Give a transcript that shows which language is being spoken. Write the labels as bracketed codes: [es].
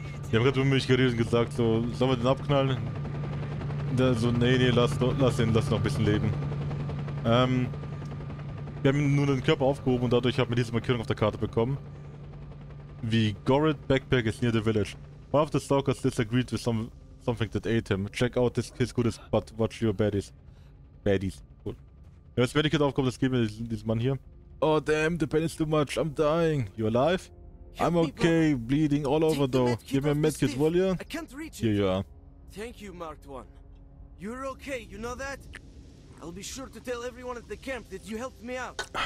[de] Die haben gerade mit mir geredet und gesagt, so, sollen wir den abknallen? Der so, nee, lass ihn noch ein bisschen leben. Wir haben nun den Körper aufgehoben und dadurch haben wir diese Markierung auf der Karte bekommen. [en] Wie Gorit Backpack is near the village. One of the stalkers disagreed with something that ate him. Check out his goodies, but watch your baddies. Baddies, cool. [de] Ja, das Medikit aufgehoben, das geben wir diesem Mann hier. [en] Oh damn, the pain is too much, I'm dying. You alive? I'm okay, bleeding all over though. Give me a medkit, will ya? I can't reach it. Here you are. Thank you, Marked One. You're okay, you know that? I'll be sure to tell everyone at the camp that you helped me out.